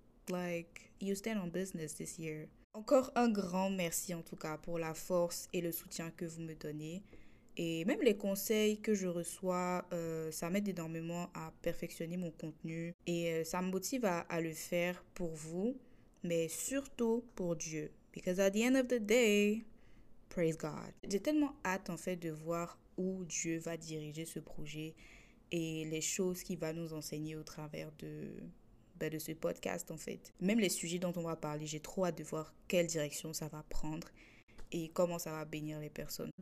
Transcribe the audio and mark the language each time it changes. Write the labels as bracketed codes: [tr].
[en] Like, you stand on business this year. [fr] Encore un grand merci en tout cas pour la force et le soutien que vous me donnez et même les conseils que je reçois, ça m'aide énormément à perfectionner mon contenu et ça me motive à le faire pour vous, mais surtout pour Dieu. [en] Because at the end of the day, praise God. [fr] J'ai tellement hâte en fait de voir où Dieu va diriger ce projet et les choses qu'il va nous enseigner au travers de ce podcast en fait. Même les sujets dont on va parler, j'ai trop hâte de voir quelle direction ça va prendre et comment ça va bénir les personnes.